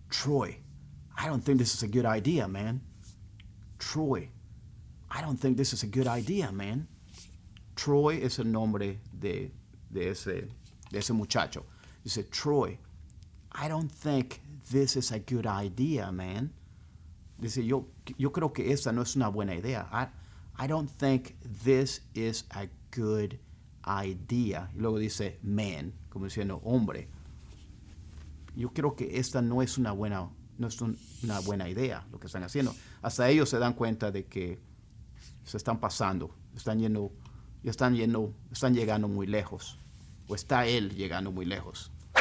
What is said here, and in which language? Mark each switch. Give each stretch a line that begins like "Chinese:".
English: Troy, I don't think this is a good idea, man. Troy, I don't think this is a good idea, man.
Spanish: Troy es el nombre de ese muchacho. Dice,
English: Troy, I don't think this is a good idea, man.
Spanish: Dice, yo creo que esta no es una buena idea.
English: I don't think this is a good idea.
Spanish: Y luego dice, man, como diciendo, hombre. Yo creo que esta no es una buena idea. No es una buena idea lo que están haciendo. Hasta ellos se dan cuenta de que se están pasando. Están llegando muy lejos. O está él llegando muy lejos.